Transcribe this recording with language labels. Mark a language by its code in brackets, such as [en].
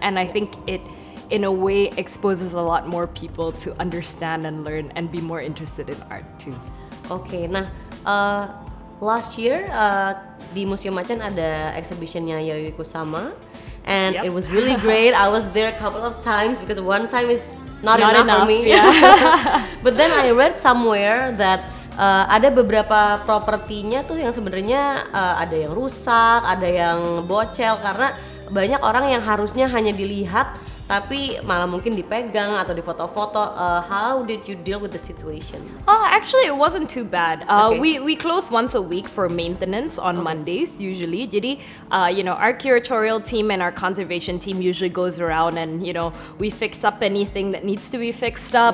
[en] And I think it, in a way, exposes a lot more people to understand and learn and be more interested in art too. Okay, nah, last year [id] di Museum Machan ada exhibitionnya Yayoi Kusama, [en] and it was really great. I was there a couple of times because one time is not enough for me. Yeah. But then I read somewhere that [id] ada beberapa propertinya tuh yang sebenarnya ada yang rusak, ada yang bocel karena banyak orang yang harusnya hanya dilihat tapi malah mungkin dipegang atau difoto-foto. [en] How did you deal with the situation? Oh, actually it wasn't too bad. We close once a week for maintenance on Mondays usually. Jadi, you know, our curatorial team and our conservation team usually goes around and, you know, we fix up anything that needs to be fixed up.